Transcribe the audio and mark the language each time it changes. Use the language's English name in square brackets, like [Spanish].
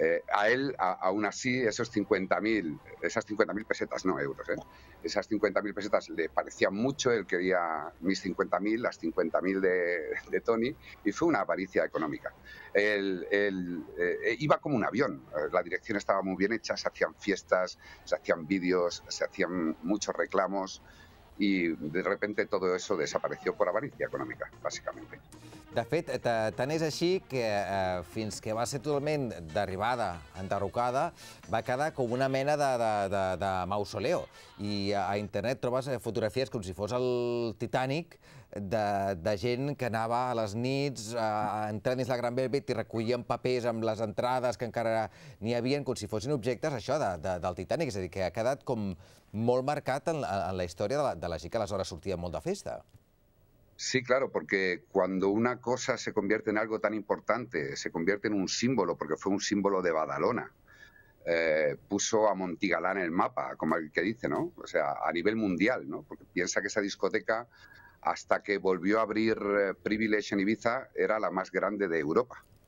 [Spanish] A él, aún así, esos 50.000, esas 50.000 pesetas, no euros, esas 50.000 pesetas le parecían mucho, él quería mis 50.000, las 50.000 de Tony, y fue una avaricia económica. Él iba como un avión, la dirección estaba muy bien hecha, se hacían fiestas, se hacían vídeos, se hacían muchos reclamos, i de repente todo eso desapareció por avaricia económica, básicamente. [Catalan] De fet, tant és així que fins que va ser totalment derribada, enderrocada, va quedar com una mena de mausoleo. I a internet trobes fotografies com si fos el Titanic de gent que anava a les nits a entrar dins la Gran Velvet i recollien papers amb les entrades que encara n'hi havia, com si fossin objectes, això, del Titanic. És a dir, que ha quedat com molt marcat en la història de la gent que aleshores sortia molt de festa. [Spanish] Sí, claro, porque cuando una cosa se convierte en algo tan importante, se convierte en un símbolo, porque fue un símbolo de Badalona, puso a Montigalán en el mapa, como el que dice, ¿no? O sea, a nivel mundial, ¿no? Porque piensa que esa discoteca, hasta que volvió a abrir Privilege en Ibiza, era la más grande de Europa.